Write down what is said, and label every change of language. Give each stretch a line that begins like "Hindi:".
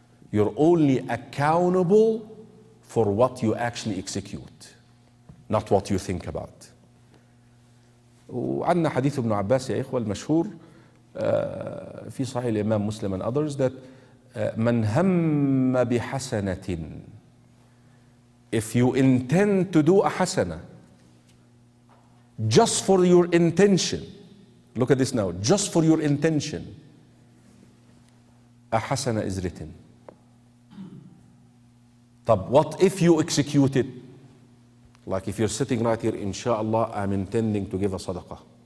English: You're only accountable for what you actually execute, not what you think about.
Arabic: وعندنا حديث ابن عباس يا إخوة المشهور في صحيح الإمام مسلم and others that من هم بحسنة.
English: If you intend to do a حسنة, just for your intention, look at this now, just for your intention, a حسنة is written. طب, what if you execute it? Like if you're sitting right here, inshallah, I'm intending to give a صدقة.